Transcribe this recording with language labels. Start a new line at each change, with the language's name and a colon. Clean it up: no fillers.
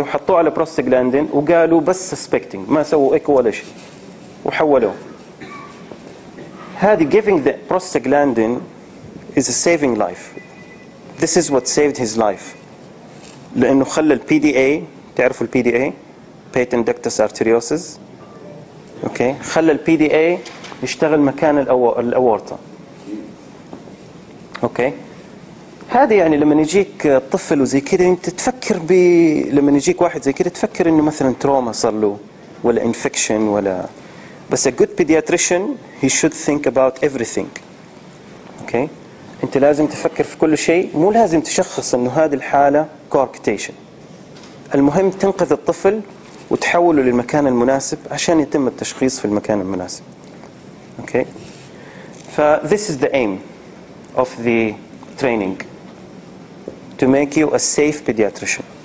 Arabic: وحطوه على بروستاجلاندين وقالوا بس suspecting، ما سووا ايكو ولا شيء. وحولوه. هذه
English: giving the prostaglandin is a saving life. This is what saved his life.
Arabic: لأنه خلى ال PDA، تعرفوا ال PDA؟ patent ductus arteriosus.
English: Okay.
Arabic: خلى ال PDA يشتغل مكان الأورطة.
English: Okay.
Arabic: هذا يعني لما يجيك طفل وزي كده أنت تفكر ب، لما يجيك واحد زي كده تفكر إنه مثلا تروما صار له ولا infection ولا.
English: But a good pediatrician, he should think about everything. Okay?
Arabic: أنت لازم تفكر في كل شيء، مو لازم تشخص إنه هذه الحالة coarctation. المهم تنقذ الطفل وتحوله للمكان المناسب عشان يتم التشخيص في المكان المناسب.
English: Okay?
Arabic: ف
English: this is the aim of the training. To make you a safe pediatrician.